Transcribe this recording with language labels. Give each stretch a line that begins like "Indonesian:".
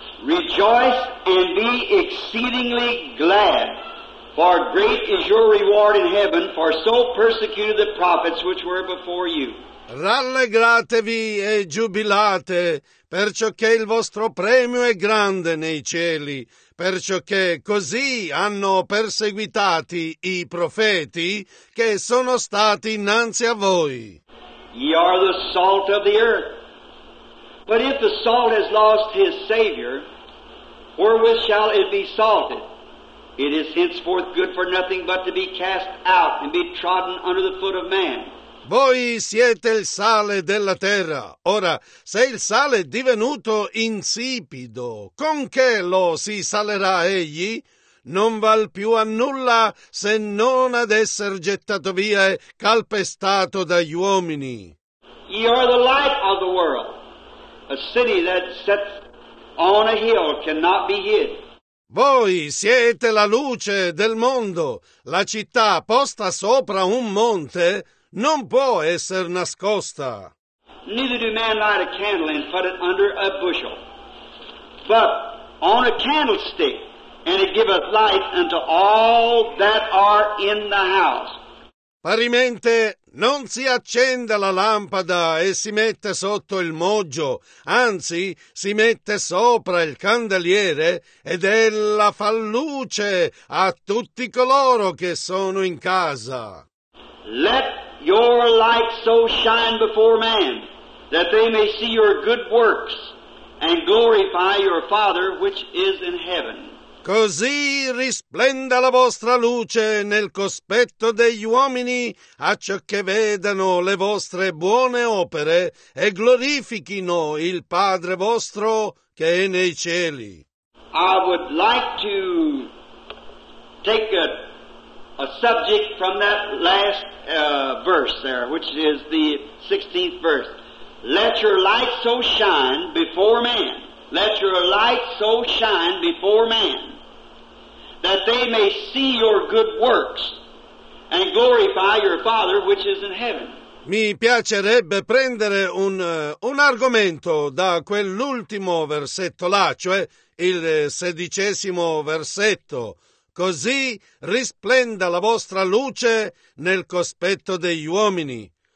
English: Rejoice and be exceedingly glad, for great is your reward in heaven, for so persecuted the prophets which were before you.
Italian: Rallegratevi e giubilate, perciò che il vostro premio è grande nei cieli, perciò che così hanno perseguitati i profeti che sono stati innanzi a voi.
English: Ye are the salt of the earth. But if the salt has lost his savior, wherewith shall it be salted? It is henceforth good for nothing but to be cast out and be trodden under the foot of man.
Italian: Voi siete il sale della terra. Ora, se il sale è divenuto insipido, con che lo si salerà egli? Non val più a nulla se non ad essere gettato via e calpestato dagli uomini.
English: Ye are the light of the world. A city that sits on a hill cannot be hid.
Italian: Voi siete la luce del mondo. La città posta sopra un monte non può essere nascosta.
English: Neither do men light a candle and put it under a bushel, but on a candlestick, and it giveth light unto all that are in the house.
Italian: Parimente, non si accende la lampada e si mette sotto il moggio, anzi si mette sopra il candeliere ed ella fa luce a tutti coloro che sono in casa.
English: Let your light so shine before man that they may see your good works and glorify your Father which is in heaven.
Italian: Così risplenda la vostra luce nel cospetto degli uomini, accio che vedano le vostre buone opere e glorifichino il Padre vostro che è nei cieli.
English: I would like to take a subject from that last verse there, which is the 16th verse. Let your light so shine before men. Let your light so shine before man that they may see your good works and glorify your Father which is in heaven.
Italian: Mi piacerebbe prendere un argomento da quell'ultimo versetto là, cioè il sedicesimo versetto. Così risplenda la vostra luce nel cospetto degli uomini.